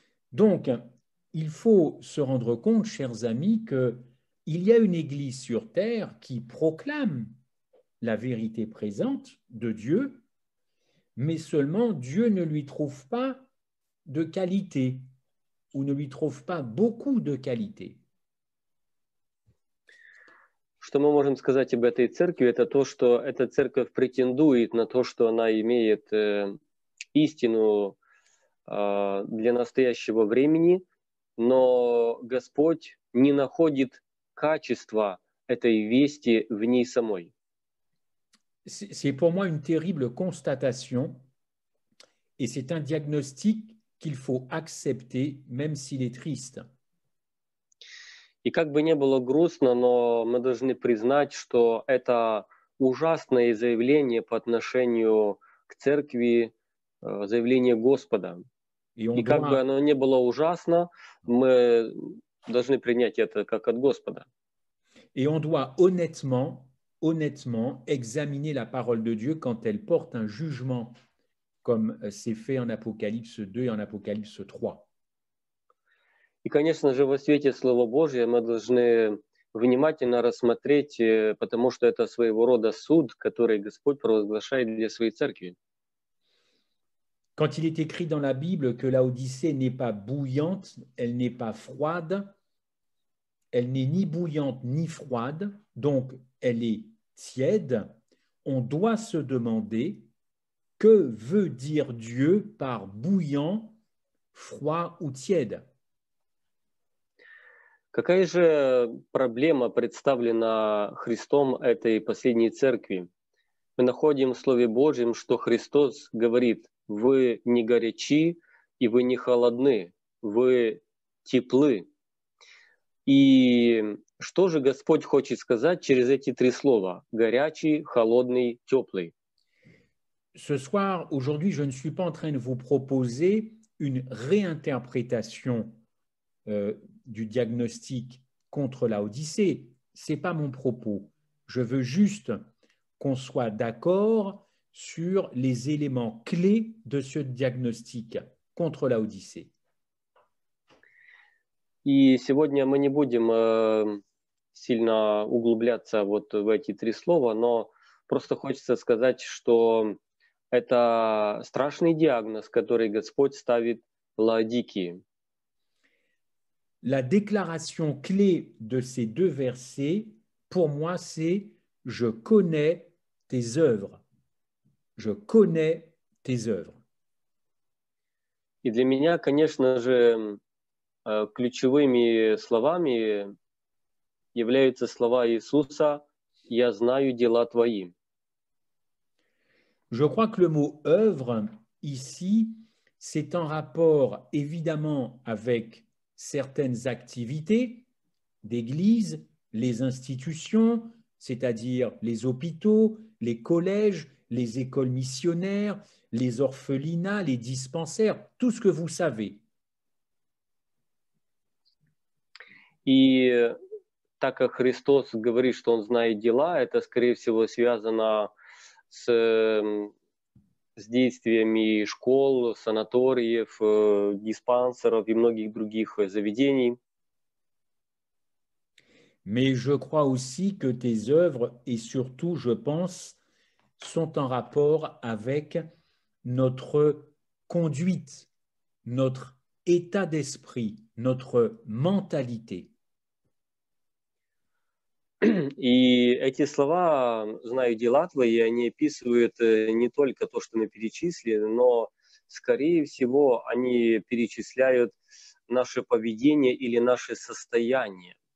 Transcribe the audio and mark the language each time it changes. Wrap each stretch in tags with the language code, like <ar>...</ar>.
<fr>Donc, il faut se rendre compte, chers amis, qu'il y a une église sur terre qui proclame la vérité présente de Dieu, mais seulement Dieu ne lui trouve pas de qualité ou ne lui trouve pas beaucoup de qualité.</fr> <ru>Что мы можем сказать об этой церкви, это то, что эта церковь претендует на то, что она имеет истину для настоящего времени, но Господь не находит качества этой вести в ней самой.</ru> <fr>C'est pour moi une terrible constatation, et c'est un diagnostic qu'il faut accepter, même s'il est triste.</fr> <ru>И как бы ни было грустно, но мы должны признать, что это ужасное заявление по отношению к церкви, заявление Господа. И как бы оно ни было ужасно, мы должны принять это как от Господа. И</ru> <fr>on doit honnêtement, honnêtement examiner la parole de Dieu quand elle porte un jugement, comme c'est fait en Apocalypse 2 et en Apocalypse 3.</fr> <ru>И, конечно же, во свете Слова Божьего мы должны внимательно рассмотреть, потому что это своего рода суд, который Господь провозглашает для своей церкви.</ru> <fr>Quand il est écrit dans la Bible que Laodicée n'est pas bouillante, elle n'est pas froide, elle n'est ni bouillante ni froide, donc elle est tiède, on doit se demander que veut dire Dieu par bouillant, froid ou tiède.</fr> <ru>Какая же проблема представлена Христом этой последней церкви? Мы находим в Слове Божьем, что Христос говорит, вы не горячи и вы не холодны, вы теплы. И что же Господь хочет сказать через эти три слова? Горячий, холодный, теплый.</ru> <fr>Ce soir, aujourd'hui, je ne suis pas en train de vous proposer une réinterprétation du diagnostic contre la Odyssée. Ce n'est pas mon propos. Je veux juste qu'on soit d'accord sur les éléments clés de ce diagnostic contre la Odyssée.</fr> <ru>И сегодня мы не будем сильно углубляться вот в эти три слова, но просто хочется сказать, что это страшный диагноз, который Господь ставит Лаодикии.</ru> <fr>La déclaration clé de ces deux versets, pour moi, c'est « Je connais tes œuvres ». Je connais tes œuvres.</fr> <ru>И для меня, конечно же, ключевыми словами являются слова Иисуса «Я знаю дела твои».</ru> <fr>Je crois que le mot « œuvre » ici, c'est en rapport évidemment avec certaines activités d'église, les institutions, c'est-à-dire les hôpitaux, les collèges, les écoles missionnaires, les orphelinats, les dispensaires, tout ce que vous savez.</fr> <ru>И так как Христос говорит, что Он знает дела, это, скорее всего, связано с действиями школ, санаториев, диспансеров и многих других заведений.</ru> <fr>Mais je crois aussi que tes œuvres, et surtout, je pense, sont en rapport avec notre conduite, notre état d'esprit, notre mentalité.</fr> <ru>И эти слова «знаю дела твои», они описывают не только то, что мы перечислили, но, скорее всего, они перечисляют наше поведение или наше состояние.</ru>